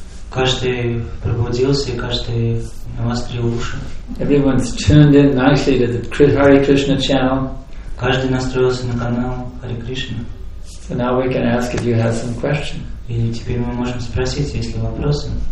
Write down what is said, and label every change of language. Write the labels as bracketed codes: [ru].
[ru] Каждый пробудился, каждый навострил уши. [en] Everyone's tuned in nicely to the Hare Krishna channel. [ru] Каждый настроился на канал Hare Krishna. [en] So now we can ask if you have some questions. [ru] И теперь мы можем спросить, есть ли вопросы.